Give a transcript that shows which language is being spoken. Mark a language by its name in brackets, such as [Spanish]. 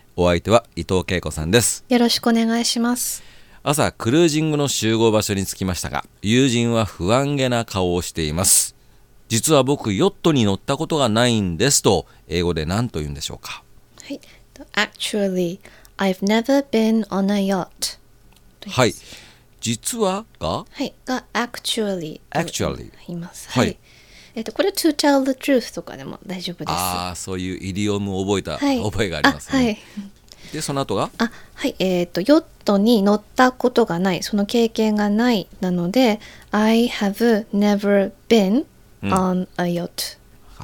[Japanese] お相手は伊藤恵子さんです。よろしくお願いします。朝クルージングの集合場所に着きましたが、友人は不安げな顔をしています。実は僕ヨットに乗ったことがないんですと、英語で何と言うんでしょうか。はい、 [English] Actually, I've never been on a yacht. [Japanese] はい、実はが、はい、が [English] Actually, Actually. [Japanese] 言います、はいはい、これ [English] To tell the truth [Japanese] とかでも大丈夫です。あ、そういうイディオムを覚えた、はい、覚えがありますね。あ、はい、でその後が、あ、はい、ヨットに乗ったことがない、その経験がない、なので [English] I have never been on a yacht、 [Japanese] う